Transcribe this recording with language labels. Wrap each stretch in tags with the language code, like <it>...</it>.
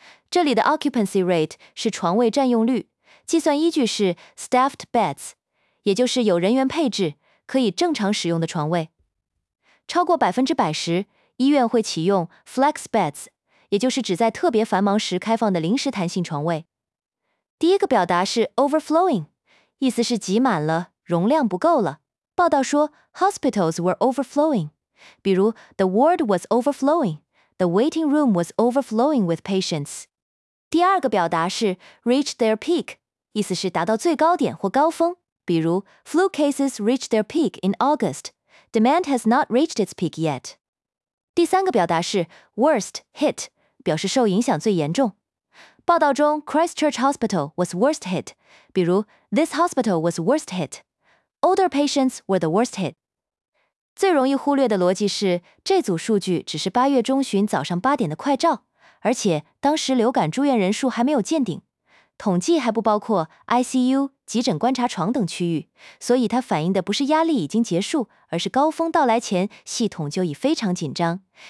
<zh>这里的</zh> <en>occupancy rate</en> <zh>是床位占用率，计算依据是</zh> <en>staffed beds，</en> <zh>也就是有人员配置可以正常使用的床位。超过 100% 时，医院会启用</zh> <en>flex beds，</en> <zh>也就是只在特别繁忙时开放的临时弹性床位。第一个表达是 overflowing， 意思是挤满了，容量不够了。报道说</zh> <en>hospitals were overflowing，</en> <zh>比如</zh> <en>the ward was overflowing， the waiting room was overflowing with patients。</en> <zh>第二个表达是</zh> <en>reach their peak，</en> <zh>意思是达到最高点或高峰，比如</zh> <en>flu cases reached their peak in August， demand has not reached its peak yet。</en> <zh>第三个表达是</zh> <en>worst hit，</en> <zh>表示受影响最严重。报道中</zh> <en>Christchurch Hospital was worst hit，</en> <zh>比如</zh> <en>this hospital was worst hit， older patients were the worst hit。</en> <zh>最容易忽略的逻辑是这组数据只是八月中旬早上八点的快照，而且当时流感住院人数还没有见顶，统计还不包括 ICU 急诊观察床等区域，所以它反映的不是压力已经结束，而是高峰到来前系统就已非常紧张。</zh>